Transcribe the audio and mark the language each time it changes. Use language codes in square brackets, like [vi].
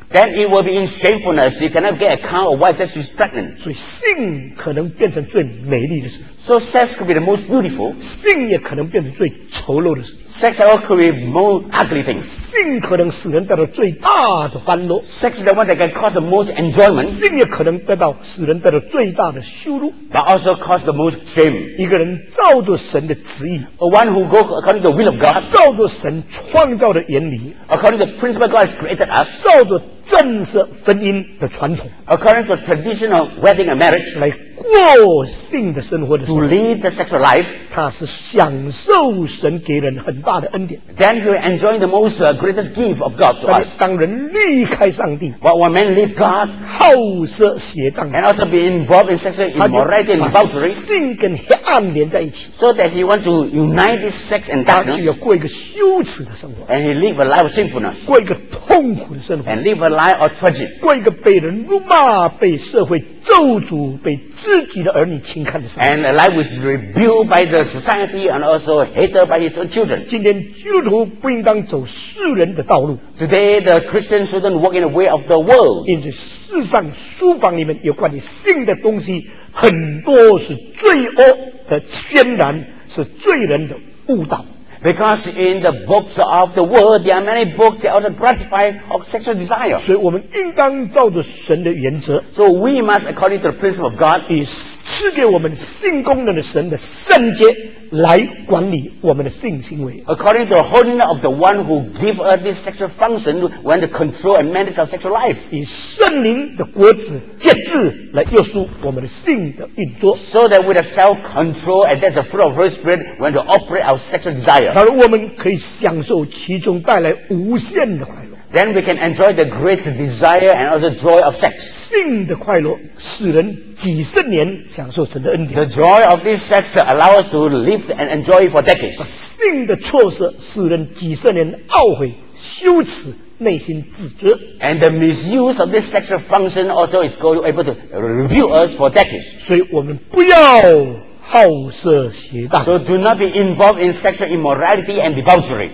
[en] Then it will be in shamefulness she cannot get a count of why she's pregnant [zh] 所以性可能变成最美丽的事 [en] So sex could be the most beautiful. [zh] 性也可能变成最丑陋的事。 [en] Sex also could be most ugly things. [zh] 性可能使人得到最大的欢乐。 [en] Sex is the one that can cause the most enjoyment. [zh] 性也可能得到使人得到最大的羞辱。 [en] But also cause the most shame. [zh] 一个人照着神的旨意。 [en] A one who goes according to the will of God. [zh] 照着神创造的原理。 [en] According to the principle God has created us. [zh] 照着正式婚姻的传统。 [en] According to traditional wedding and marriage. [zh] 来过性的生活的时候 [en] to lead the sexual life [zh] 他是享受神给人很大的恩典 [en] then he will enjoy the most greatest gift of God to us [zh] 当人离开上帝 [en] but when men leave God [zh] 好色邪荡 [en] and also be involved in sexual immorality and adultery [zh] 性跟黑暗连在一起 [en] so that he wants to unite this sex and darkness [zh] 他就要过一个羞耻的生活 [en] and he live a life of sinfulness [zh] 过一个痛苦的生活 [en] and live a life of tragedy [zh] 过一个被人辱骂被社会咒诅被自己的儿女轻看的 [en] and a life was rebuked by the society and also hated by his own children [zh] 今天基督徒不应当走世人的道路 [en] today the Christian shouldn't walk in the way of the world [zh] 因此世上书房里面有关于性的东西很多是罪恶的渲染是罪人的误导 [en] Because in the books of the world, there are many books that also gratify of sexual desire. [zh] 所以我们应当照着神的原则。 [en] So we must according to the principle of God [zh] is 赐给我们性功能的神的圣洁来管理我们的性行为。 [en] According to the holiness of the one who gives us this sexual function, when to control and manage our sexual life, [zh] 以圣灵的果子借字来约束我们的性的运作。 [en] So that with a self-control and that's the fruit of the Holy Spirit, when to operate our sexual desire. [zh] 当然我们可以享受其中带来无限的快乐。 [en] Then we can enjoy the great desire and also joy of sex. [zh] 性的快乐使人几十年享受神的恩典。 [en] The joy of this sex allows us to live and enjoy for decades. [zh] 性的错失使人几十年懊悔羞耻内心自责。 [en] And the misuse of this sexual function also is going to be able to review us for decades. [zh] 所以我们不要好色邪荡。 [en] So do not be involved in sexual immorality and debauchery.